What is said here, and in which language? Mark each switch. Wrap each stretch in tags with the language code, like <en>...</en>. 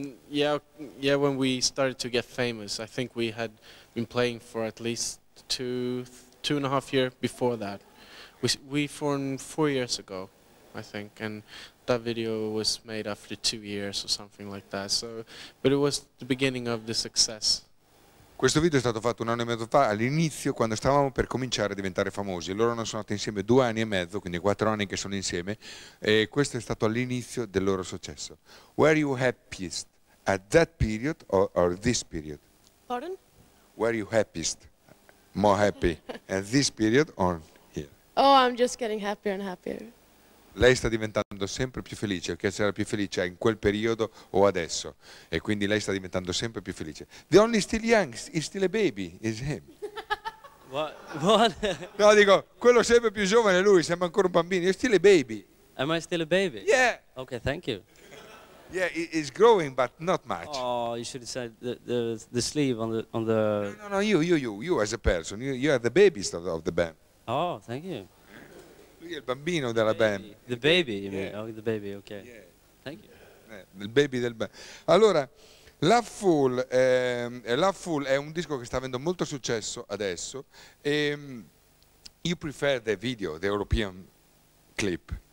<en>Yeah, when we started to get famous, I think we had been playing for at least two and a half years before that. We formed 4 years ago, I think, and that video was made after 2 years or something like that. So, but it was the beginning of the success.</en> <it>Questo video è stato fatto un anno e mezzo fa, all'inizio, quando stavamo per cominciare a diventare famosi. Loro hanno suonato insieme 2 anni e mezzo, quindi 4 anni che sono insieme, e questo è stato all'inizio del loro successo.</it> <en>Were you happiest at that period or this period? Pardon? Were you happiest, more happy, at this period or here? Oh, I'm just getting happier and happier.</en> <it>Lei sta diventando sempre più felice, che sarà più felice in quel periodo o adesso. E quindi lei sta diventando sempre più felice.</it> <en>The only still young, is still a baby, is him. What?</en> <it>No, dico, quello sempre più giovane è lui, sembra ancora un bambino.</it> <en>You're still a baby. Am I still a baby? Yeah. Okay, thank you. Yeah, it's growing, but not much. Oh, you should have said the sleeve on the... No, you as a person, you are the baby of the band. Oh, thank you.</en> <it>Il bambino della band.</it> <en>The baby, you mean? Yeah. Oh, the baby, okay. Yeah. Thank you.</en> <it>Il baby del band. Allora, Lovefool è un disco che sta avendo molto successo adesso.</it> <en>E, you prefer the video, the European clip.</en>